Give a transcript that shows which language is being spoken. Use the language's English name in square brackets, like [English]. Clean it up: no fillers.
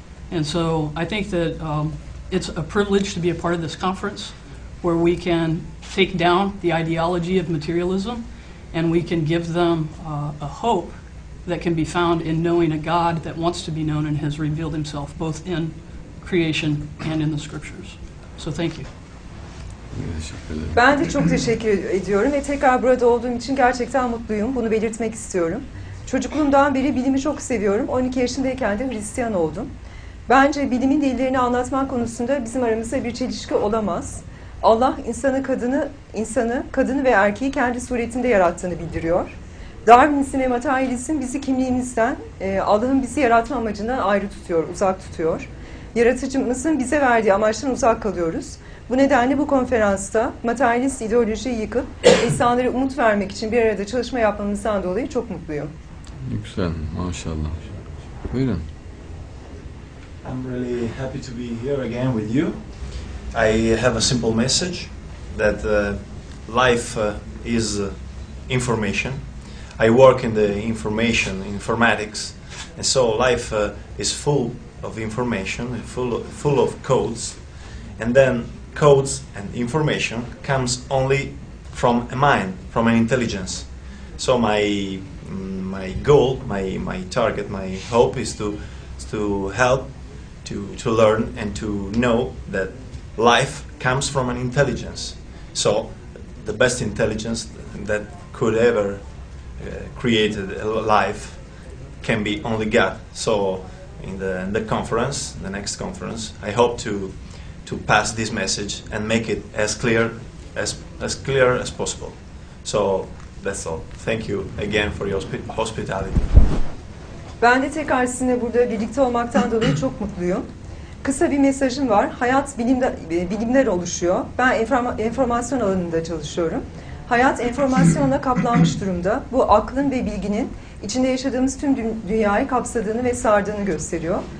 [English] And so I think that it's a privilege to be a part of this conference where we can take down the ideology of materialism and we can give them a hope that can be found in knowing a God that wants to be known and has revealed himself both in creation and in the scriptures. So thank you. [Turkish] Ben de çok teşekkür ediyorum ve tekrar burada olduğum için gerçekten mutluyum. Bunu belirtmek istiyorum. Çocukluğumdan beri bilimi çok seviyorum. 12 yaşındayken de Hristiyan oldum. Bence bilimin delillerini anlatmak konusunda bizim aramızda bir çelişki olamaz. Allah insanı kadını ve erkeği kendi suretinde yarattığını bildiriyor. Darwinizm ve materyalizm bizi kimliğimizden, Allah'ın bizi yaratma amacından ayrı tutuyor, uzak tutuyor. Yaratıcımızın bize verdiği amaçtan uzak kalıyoruz. Bu nedenle bu konferansta materyalist ideolojiyi yıkıp insanlara umut vermek için bir arada çalışma yapmamızdan dolayı çok mutluyum. Yüksel, maşallah. Buyurun. [English] I'm really happy to be here again with you. I have a simple message that life is information. I work in the information, informatics, and so life is full of information, full of codes, and then codes and information comes only from a mind, from an intelligence. So my goal, my target, my hope is to help to learn and to know that life comes from an intelligence. So the best intelligence that could ever created a life can be only God. So in the conference, the next conference, I hope to pass this message and make it as clear as possible. So that's all. Thank you again for your hospitality. [Turkish] Ben de tekrar sizinle burada birlikte olmaktan dolayı çok mutluyum. Kısa bir mesajım var. Hayat bilimler oluşuyor. Ben informasyon alanında çalışıyorum. Hayat enformasyonla kaplanmış durumda. Bu aklın ve bilginin içinde yaşadığımız tüm dünyayı kapsadığını ve sardığını gösteriyor.